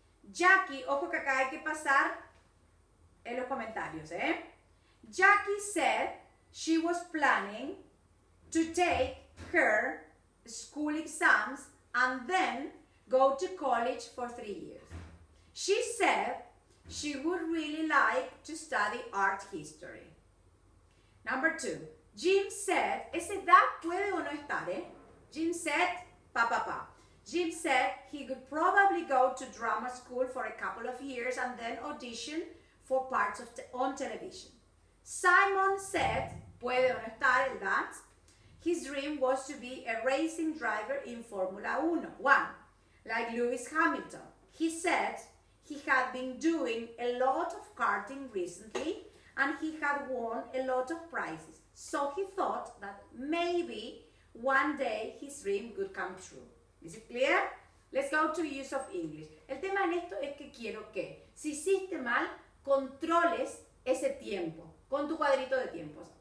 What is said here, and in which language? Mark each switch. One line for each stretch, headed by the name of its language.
Spanish: Jackie, ojo que acá hay que pasar en los comentarios, ¿eh?
English: Jackie said she was planning to take her school exams and then go to college for 3 years. She said she would really like to study art history. Number 2. Jim said,
Spanish: ese that puede o no estar, ¿eh? Jim said, pa, pa, pa.
English: Jim said he could probably go to drama school for a couple of years and then audition for parts of on television. Simon said,
Spanish: puede o no estar,
English: that his dream was to be a racing driver in Formula 1, like Lewis Hamilton. He said he had been doing a lot of karting recently and he had won a lot of prizes. So he thought that maybe one day his dream could come true. Is it clear? Let's go to use of English.
Spanish: El tema en esto es que quiero que, si hiciste mal, controles ese tiempo con tu cuadrito de tiempos.